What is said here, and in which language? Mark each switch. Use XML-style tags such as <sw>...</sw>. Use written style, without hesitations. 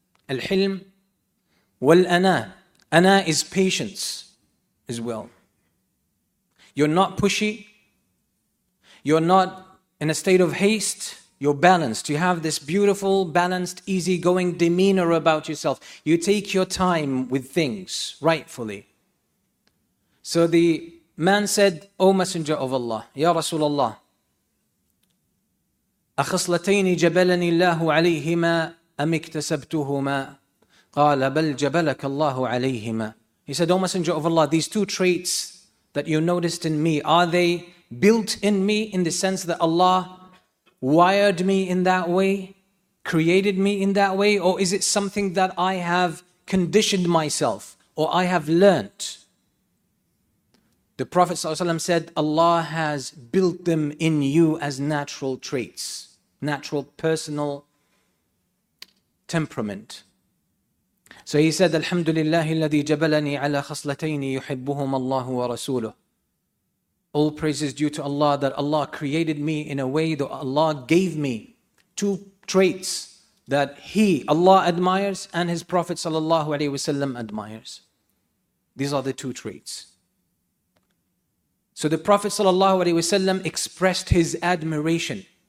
<en>Al-hilm wal-ana. Ana is patience as well. You're not pushy, you're not in a state of haste, you're balanced. You have this beautiful, balanced, easygoing demeanor about yourself. You take your time with things rightfully. So the man said, "O Messenger of Allah,</en> <ar>Ya Rasulullah, أَخَصْلَتَيْنِ جَبَلَنِ اللَّهُ عَلَيْهِمَا أَمْ اِكْتَسَبْتُهُمَا قَالَ بَلْ جَبَلَكَ اللَّهُ عَلَيْهِمَا."</ar> <en>He said, "O Messenger of Allah, these two traits that you noticed in me, are they built in me in the sense that Allah wired me in that way, created me in that way, or is it something that I have conditioned myself or I have learnt?" The Prophet ﷺ said, "Allah has built them in you as natural traits, natural personal temperament." So he said,</en> <ar>"Alhamdulillah, الذي جبلني على خصلتين يحبهم الله ورسوله."</ar> <en>All praise is due to Allah that Allah created me in a way that Allah gave me two traits that He, Allah, admires and His Prophet ﷺ admires. These are the two traits. So the Prophet ﷺ expressed his admiration.</en>